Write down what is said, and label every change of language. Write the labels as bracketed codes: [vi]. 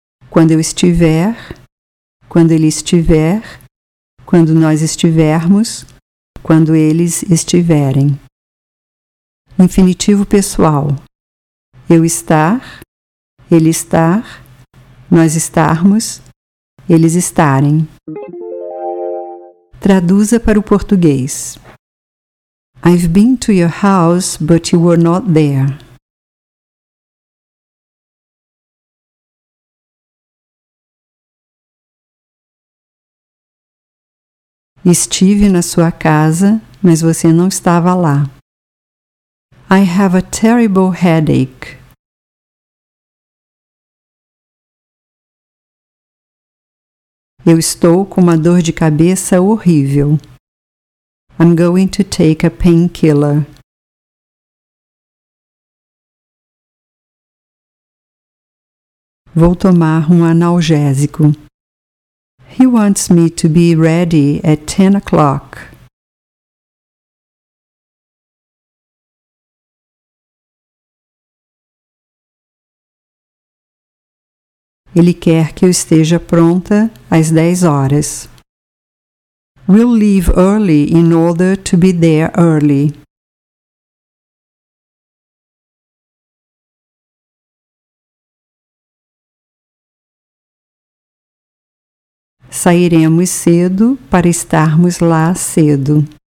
[pt] Quando eu estiver, quando ele estiver, quando nós estivermos, quando eles estiverem. Infinitivo pessoal. Eu estar, ele estar, nós estarmos, eles estarem. Traduza para o português. [en] I've been to your house, but you were not there. [pt] Estive na sua casa, mas você não estava lá. [en] I have a terrible headache. [pt] Eu estou com uma dor de cabeça horrível. [en] I'm going to take a painkiller. [pt] Vou tomar um analgésico. [en] He wants me to be ready at 10 o'clock. [pt] Ele quer que eu esteja pronta às 10 horas. [en] We'll leave early in order to be there early. [pt] Sairemos cedo para estarmos lá cedo.